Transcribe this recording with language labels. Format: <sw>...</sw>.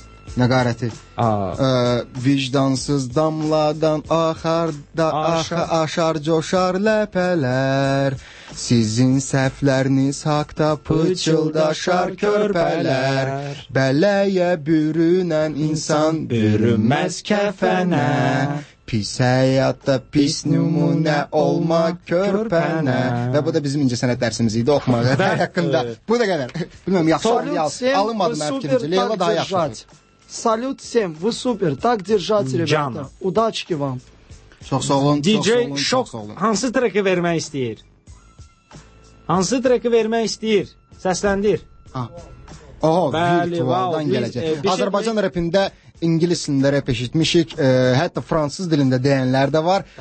<az>Nəqarəti vicdansız damladan axarda aşar coşar ləpələr sizin səhvləriniz haqda pıçıldaşar körpələr bələyə bürünən insan bürünməz kəfənə pis həyatda pis nümunə olmaq körpənə. Və bu da bizim incəsənət dərsimiz idi, oxumaq haqqında. Bu da qədər. Bilməm, yaxşı alınmadı mənim fikrimcə. Leyla daha yaxşı.</az> <ru>Salut всем, вы супер, так держать, ребята. Удачки вам.</ru> <az>Çox sağ olun, DJ Şok hansı treki vermək istəyir? Hansı treki vermək istəyir? Səsləndir. Oho, virtualdan gələcək. Azərbaycan rapində, ingilis dilində rap eşitmişik, hətta fransız dilində deyənlər də var.</az>